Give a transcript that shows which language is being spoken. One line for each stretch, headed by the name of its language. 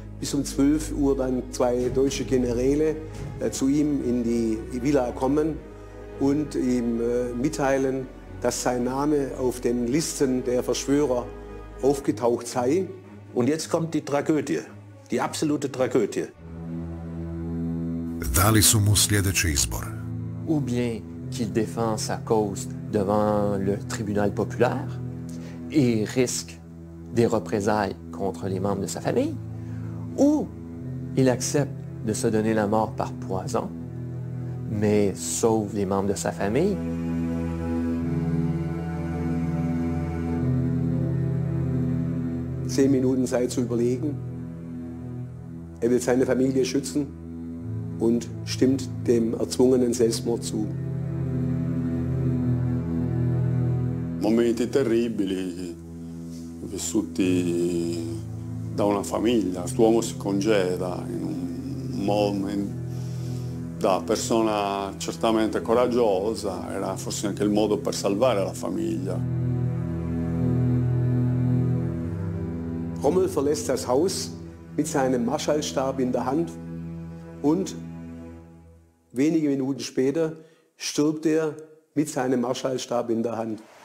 German: Bis um 12 Uhr dann zwei deutsche Generäle zu ihm in die Villa kommen und ihm mitteilen, dass sein Name auf den Listen der Verschwörer aufgetaucht sei. Und jetzt kommt die Tragödie, die absolute Tragödie.
Croatian: Dali su mu sljedeći izbor.
French: Ou bien qu'il défend sa cause devant le tribunal populaire et risque des représailles contre les membres de sa famille, ou il accepte de se donner la mort par poison, mais sauve les membres de sa famille.
German: Zehn Minuten Zeit zu überlegen. Er will seine Familie schützen und stimmt dem erzwungenen Selbstmord zu.
Italian: Momenti terribili vissuti da una famiglia. Quest'uomo si congeda in un momento da persona certamente coraggiosa, era forse anche il modo per salvare la famiglia.
German: Rommel verlässt das Haus mit seinem Marschallstab in der Hand und wenige Minuten später stirbt mit seinem Marschallstab in der Hand.